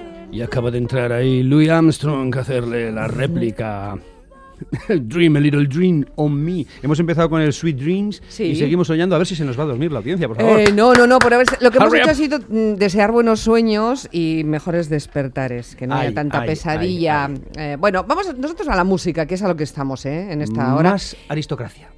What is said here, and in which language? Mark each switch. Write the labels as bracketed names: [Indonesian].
[Spanish] Y acaba de entrar ahí Louis Armstrong a hacerle la réplica. [English] Dream a little dream on me. [Spanish] Hemos empezado con el Sweet Dreams, sí. Y seguimos soñando. A ver si se nos va a dormir la audiencia, por favor. No, por haberse... Lo que hemos hecho ha sido desear buenos sueños y mejores despertares. Que no haya tanta pesadilla. Bueno, vamos nosotros a la música, que es a lo que estamos en esta hora. Más aristocracia.